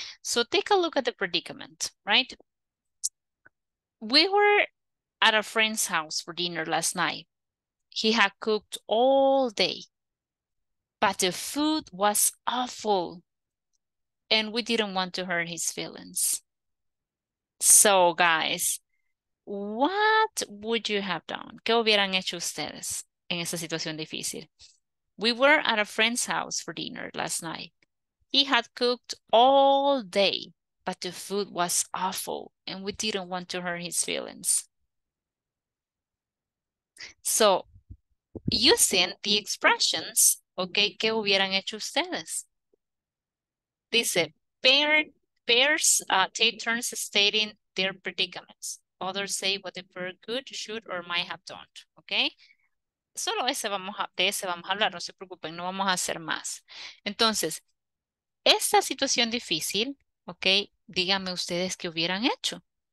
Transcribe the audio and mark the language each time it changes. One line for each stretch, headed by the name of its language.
English: So take a look at the predicament, right? We were at a friend's house for dinner last night. He had cooked all day, but the food was awful, and we didn't want to hurt his feelings. So guys, what would you have done?
Spanish: ¿Qué hubieran hecho ustedes en esa situación difícil?
English: We were at a friend's house for dinner last night. He had cooked all day, but the food was awful, and we didn't want to hurt his feelings. So, using the expressions, okay,
Spanish: ¿qué hubieran hecho ustedes? Dice,
English: pairs take turns stating their predicaments. Others say what the pair could, should, or might have done, okay?
Spanish: Solo ese vamos a, de ese vamos a hablar, no se preocupen, no vamos a hacer más. Entonces, esta situación difícil, ok, díganme ustedes qué hubieran hecho.